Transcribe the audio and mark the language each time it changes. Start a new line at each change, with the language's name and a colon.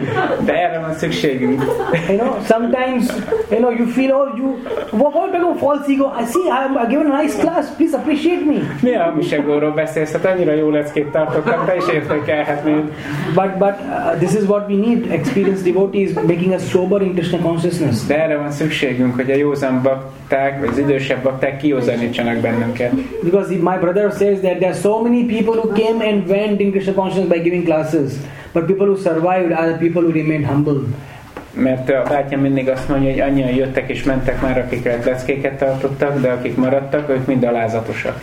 English: You know, sometimes, you know, you feel, "Oh, you, what about a false ego? I see, I gave a nice class, please appreciate me."
Hungarian: Yeah, Misegóról beszélsz, hát annyira jó leckét tartottam, te is értékelhetnél.
English: But this is what we need, experienced devotees making a sober international consciousness.
Hungarian: De erre van szükségünk, hogy a józan bakták, vagy az idősebb bakták kiózanítsanak bennünket.
English: Because my brother says that there are so many people who came and went in Krishna consciousness by giving classes, but people who survived are the people who remained humble.
Hungarian: Mert a bátyám mindig azt mondja, hogy annyian jöttek és mentek már, akiket leckéket tartottak, de akik maradtak, ők mind alázatosak.